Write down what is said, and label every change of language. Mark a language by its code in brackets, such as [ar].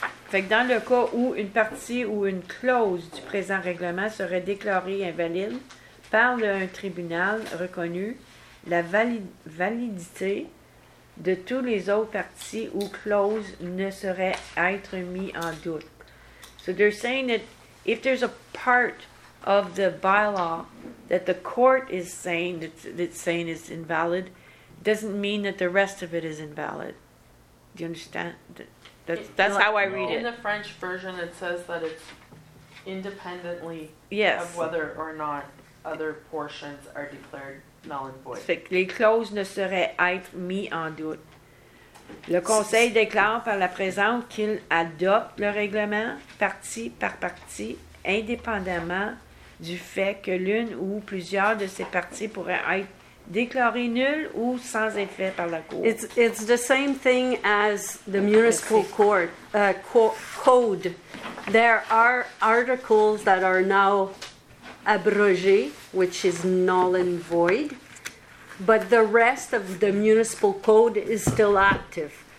[fr] Fait que dans le cas où une partie ou une clause du présent règlement serait déclarée invalide par un tribunal reconnu, la validité de tous les autres parties ou clauses ne saurait être mis en doute. [en] So they're saying that if there's a part of the bylaw that the court is saying that's saying is invalid, doesn't mean that the rest of it is invalid. Do you understand? That's how I read it. In the French version, it says that it's independently yes. of whether or not other portions are declared null and void. [fr] Fait que les clauses ne seraient être mis en doute. Le conseil déclare par la présente qu'il adopte le règlement partie par partie indépendamment du fait que l'une ou plusieurs de ces parties pourraient être déclarées nulles ou sans effet par la cour. [en] It's the same thing as the municipal code. There are articles that are now abrogés, which is null and void. But the rest of the municipal code is still active.